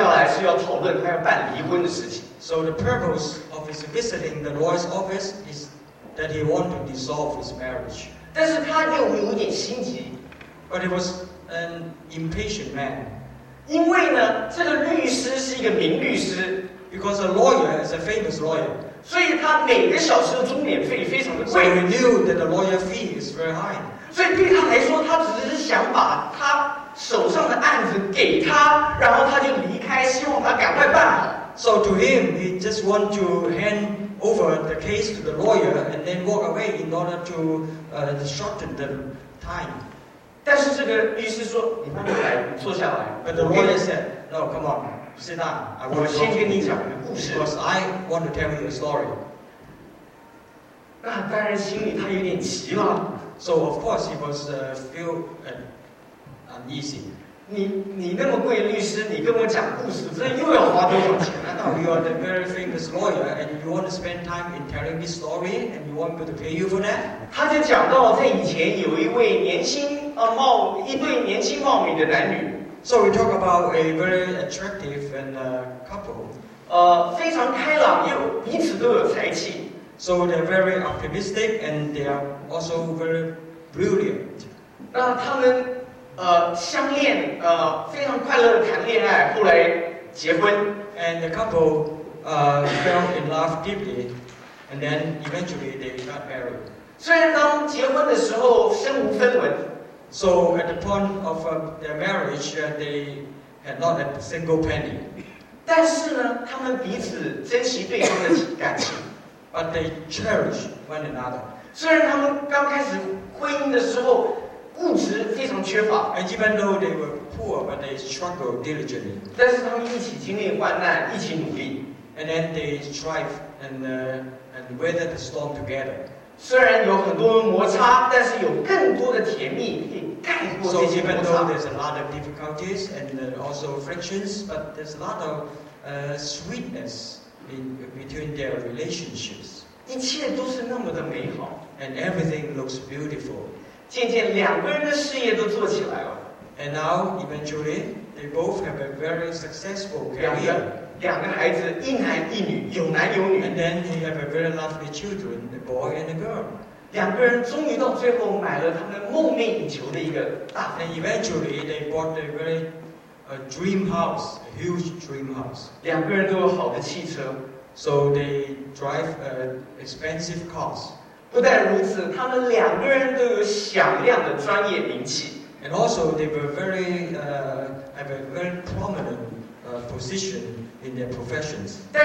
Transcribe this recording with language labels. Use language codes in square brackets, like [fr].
[zh] 然后他跟律师坐下来是要讨论他要办离婚的事情。 [en] So the purpose of his visiting the lawyer's office is that he wanted to dissolve his marriage. [zh] 但是他又有点心急， [en] but he was an impatient man. [zh] 因为呢，这个律师是一个名律师， [en] because a lawyer is a famous lawyer. [zh] 所以他每个小时的钟点费非常的贵。 [en] So he knew that the lawyer fee is very high. [zh] 所以对他来说，他只是想把他手上的案子给他，然后他就离开，希望他赶快办好。 [en] So to him, he just want to hand over the case to the lawyer and then walk away in order to shorten the time. [zh] 但是这个律师说，你慢慢来，坐下来。 [en] But the lawyer said, "No, come on, sit down. I want to talk to you because I want to tell you a story." [zh] 那当然，心里他有点急了。 [en] So of course he was feel uneasy. [zh] 你那么贵律师，你跟我讲故事，这又要花多少钱？ [en] Now you are the very famous lawyer, and you want to spend time in telling this story, and you want me to pay you for that? [zh] 他就讲到，在以前有一对年轻貌美的男女。 [en] So we talk about a very attractive and couple. [zh] 非常开朗，又彼此都有才气。 [en] So they're very optimistic, and they are also very brilliant. [zh] 那他们 相恋，非常快乐的谈恋爱，后来结婚。 [en] And the couple fell in love deeply, and then eventually they got married. [zh] 虽然当结婚的时候身无分文， [en] so at the point of their marriage, they had not a single penny. [zh] 但是呢，他们彼此珍惜对方的感情。 [en] But they cherish one another. [zh] 虽然他们刚开始婚姻的时候， 物质非常缺乏， [en] and even though they were poor, but they struggled diligently. [zh] 但是他们一起经历患难，一起努力， [en] and then they strive and weather the storm together. [zh] 虽然有很多摩擦，但是有更多的甜蜜可以盖过这些摩擦。 [en] So even though there's a lot of difficulties and also frictions, but there's a lot of sweetness in between their relationships. [zh] 一切都是那么的美好， [en] and everything looks beautiful. [zh] 渐渐两个人的事业都做起来了。 [en] And now, eventually, they both have a very successful career. [zh] 两个孩子，一男一女，有男有女。 [en] And then they have a very lovely children, a boy and a girl. [zh] 两个人终于到最后买了他们梦寐以求的一个大。 [en] And eventually, they bought a very dream house, a huge dream house. [zh] 两个人都有好的汽车。 [en] So they drive expensive cars. [zh] 不但如此，他们两个人都有响亮的专业名气。 [en] And also they were very have a very prominent position in their professions.